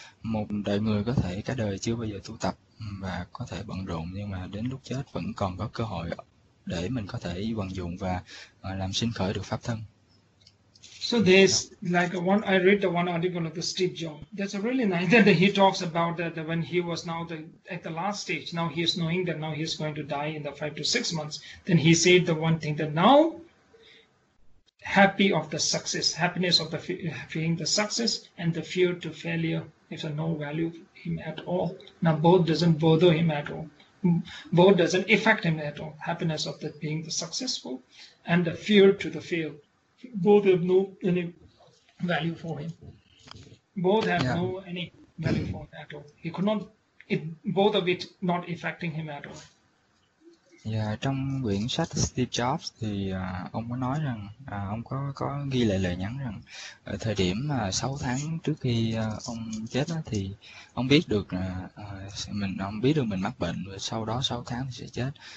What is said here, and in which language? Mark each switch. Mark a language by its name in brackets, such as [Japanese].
[Vietnamese] Một đời người có thể cả đời chưa bao giờ tu tập và có thể bận rộn, nhưng mà đến lúc chết vẫn còn có cơ hội để mình có thể vận dụng và làm sinh khởi được pháp thân. [English] So there's like one, I read the one article of the Steve Jobs. That's a really nice that he talks about that when he was now the, at the last stage, now he is knowing that now he's going to die in the 5 to 6 months. Then he said the one thing that now happy of the success, happiness of the feeling the success and the fear to failure is of no value him at all. Now both doesn't bother him at all. Both doesn't affect him at all. Happiness of the being the successful and the fear to the fail. Both have no any value for him. Both have no any value for him at all. He could not, it, both of it not affecting him at all. [Vietnamese] Yeah, trong quyển sách Steve Jobs thì ông có nói rằng ông có ghi lại lời nhắn rằng ở thời điểm 6 tháng trước khi ông chết đó, thì ông biết được mình ông biết được mình mắc bệnh và sau đó 6 tháng thì sẽ chết.